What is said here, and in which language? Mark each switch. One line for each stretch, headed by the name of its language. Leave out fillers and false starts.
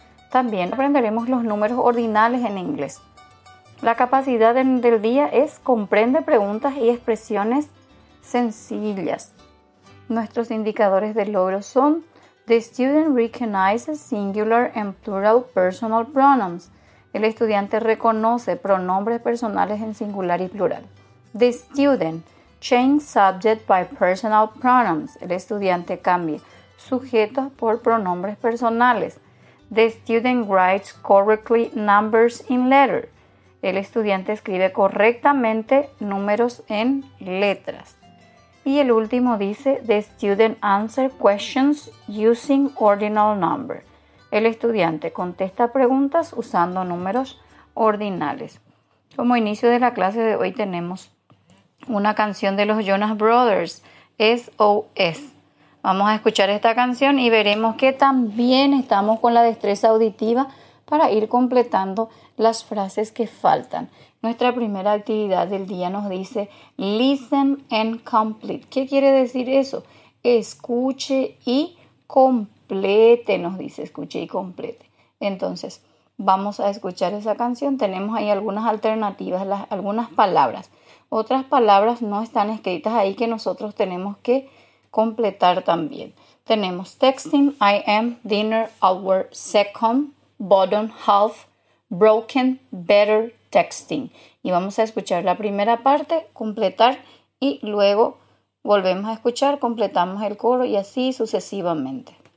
Spanish: También aprenderemos los números ordinales en inglés. La capacidad del día es comprende preguntas y expresiones sencillas. Nuestros indicadores de logro son:
English: the student recognizes singular and plural personal pronouns.
Spanish: El estudiante reconoce pronombres personales en singular y plural.
English: The student changes subject by personal pronouns.
Spanish: El estudiante cambia sujetos por pronombres personales.
English: The student writes correctly numbers in letter.
Spanish: El estudiante escribe correctamente números en letras. Y el último dice,
English: the student answers questions using ordinal number.
Spanish: El estudiante contesta preguntas usando números ordinales. Como inicio de la clase de hoy tenemos una canción de los Jonas Brothers, S.O.S. Vamos a escuchar esta canción y veremos que también estamos con la destreza auditiva para ir completando las frases que faltan. Nuestra primera actividad del día nos dice
English: listen and complete.
Spanish: ¿Qué quiere decir eso? Escuche y complete, nos dice, escuche y complete. Entonces, vamos a escuchar esa canción. Tenemos ahí algunas alternativas, algunas palabras. Otras palabras no están escritas ahí que nosotros tenemos que completar también.
English: Tenemos texting, I am, dinner, hour, second, bottom, half, broken, better, texting.
Spanish: Y vamos a escuchar la primera parte, completar, y luego volvemos a escuchar, completamos el coro y así sucesivamente.